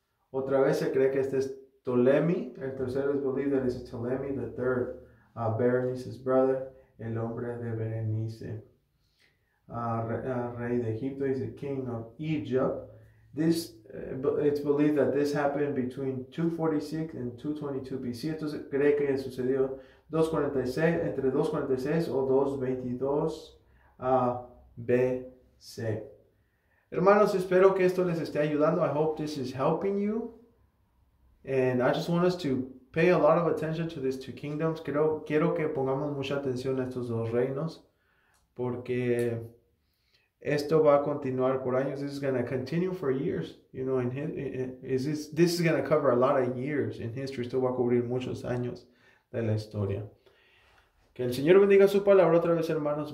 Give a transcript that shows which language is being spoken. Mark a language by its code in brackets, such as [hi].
[es] Otra vez se cree que este es Ptolemy, el tercero es [en] believed that it's Ptolemy the third, Berenice's brother, [es] el hombre de Berenice, rey de Egipto, [en] is the king of Egypt. This, it's believed that this happened between 246 and 222 BC. [es] Entonces se cree que sucedió 246, entre 246 o 222 BC. Hermanos, espero que esto les esté ayudando. [en] I hope this is helping you. And I just want us to pay a lot of attention to these two kingdoms. [es] Quiero que pongamos mucha atención a estos dos reinos. Porque esto va a continuar por años. [en] This is going to continue for years. You know, this is going to cover a lot of years in history. [es] Esto va a cubrir muchos años de la historia. Que el Señor bendiga su palabra otra vez, hermanos.